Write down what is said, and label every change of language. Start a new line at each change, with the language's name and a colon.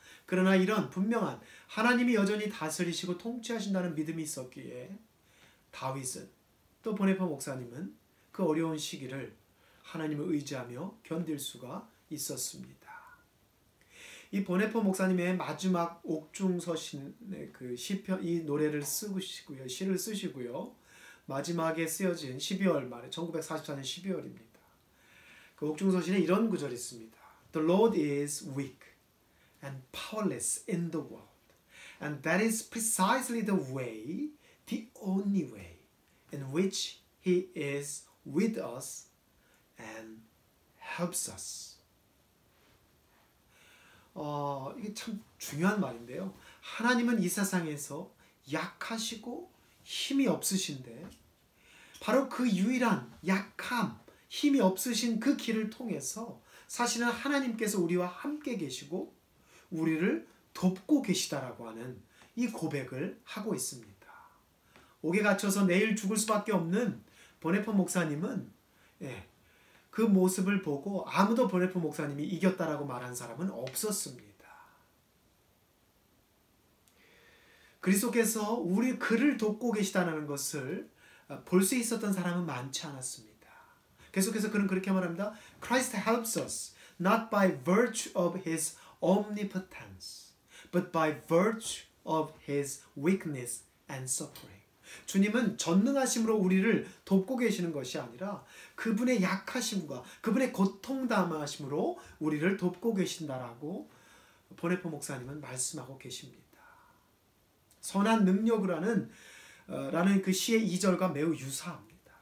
Korean: 그러나 이런 분명한 하나님이 여전히 다스리시고 통치하신다는 믿음이 있었기에 다윗은 또 보네퍼 목사님은 그 어려운 시기를 하나님을 의지하며 견딜 수가 있었습니다. 이 보네퍼 목사님의 마지막 옥중서신의 그 시편 이 노래를 쓰시고요. 시를 쓰시고요. 마지막에 쓰여진 12월 말에 1944년 12월입니다. 그 옥중서신에 이런 구절이 있습니다.
English: The Lord is weak and powerless in the world. And that is precisely the way, the only way, in which he is with us and helps us.
Korean: 이게 참 중요한 말인데요. 하나님은 이 세상에서 약하시고 힘이 없으신데 바로 그 유일한 약함, 힘이 없으신 그 길을 통해서 사실은 하나님께서 우리와 함께 계시고 우리를 돕고 계시다라고 하는 이 고백을 하고 있습니다. 옥에 갇혀서 내일 죽을 수밖에 없는 보네퍼 목사님은 예, 그 모습을 보고 아무도 보네퍼 목사님이 이겼다라고 말한 사람은 없었습니다. 그리스도께서 우리 그를 돕고 계시다라는 것을 볼 수 있었던 사람은 많지 않았습니다. 계속해서 그는 그렇게 말합니다.
English: Christ helps us. not by virtue of his omnipotence, but by virtue of his weakness and suffering.
Korean: 주님은 전능하심으로 우리를 돕고 계시는 것이 아니라 그분의 약하심과 그분의 고통담하심으로 우리를 돕고 계신다라고 보네포 목사님은 말씀하고 계십니다. 선한 능력이라는 라는 그 시의 2절과 매우 유사합니다.